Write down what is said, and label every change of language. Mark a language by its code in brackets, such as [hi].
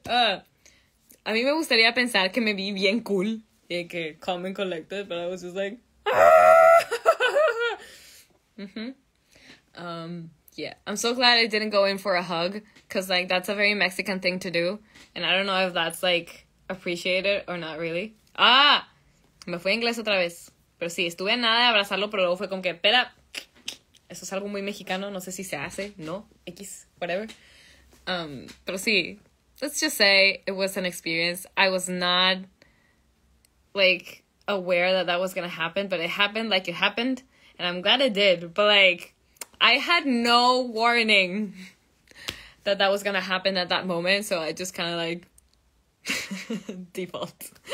[es] A mí me gustaría pensar que me vi bien cool, y que [en] calm and collected, but I was just like, yeah, I'm so glad I didn't go in for a hug, because like that's a very Mexican thing to do, and I don't know if that's like appreciated or not really. [es] Ah, me fui a inglés otra vez. Pero sí, estuve en nada de abrazarlo, pero luego fue como que, espera, eso es algo muy mexicano, no sé si se hace, no, X, whatever. Pero sí, [en] let's just say it was an experience. I was not, like, aware that that was gonna happen, but it happened like it happened, and I'm glad it did. But, like, I had no warning that that was gonna happen at that moment, so I just kind of, like, default.